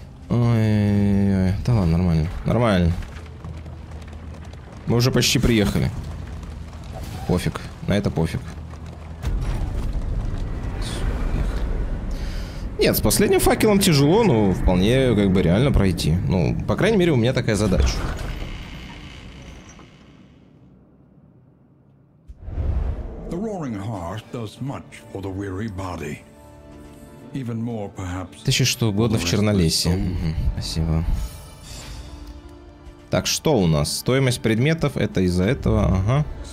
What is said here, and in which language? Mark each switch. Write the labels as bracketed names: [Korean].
[Russian] Ой-ой-ой. Да ладно, нормально. Нормально. Мы уже почти приехали. Пофиг. На это пофиг. Нет, с последним факелом тяжело, но вполне как бы реально пройти. Ну, по крайней мере, у меня такая задача. [English] The roaring heart does much for the weary body. Even more, perhaps. [Russian] Ты еще что угодно в Чернолесе. Спасибо. Так, что у нас? Стоимость предметов, это из-за этого, ага.